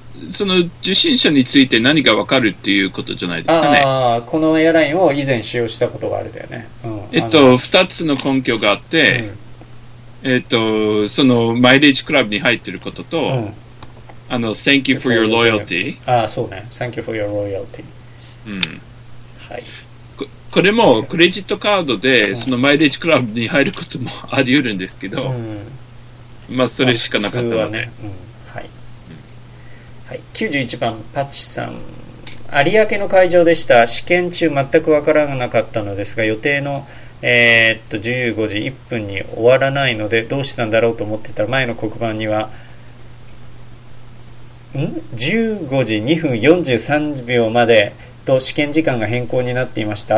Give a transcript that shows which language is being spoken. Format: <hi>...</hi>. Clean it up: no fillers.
<ja>その受信者について何が分かるっていうことじゃないですかね。あ、このエアラインを以前使用したことがあるだよね、うん、 2つの根拠があって、うん、そのマイレージクラブに入ってることと、うん、</ja> <en>Thank you for your loyalty。</en> <ja>ああ、そうね、</ja> <en>Thank you for your loyalty、</en> <ja>うん、はい、これもクレジットカードでそのマイレージクラブに入ることもあり得るんですけど、うん、まあそれしかなかったので、まあ、普通はね、うん、はい、うん、はい、91番パッチさん、有明の会場でした。試験中全くわからなかったのですが、予定の15時1分に終わらないのでどうしたんだろうと思ってたら、前の黒板には15時2分43秒までと試験時間が変更になっていました。</ja>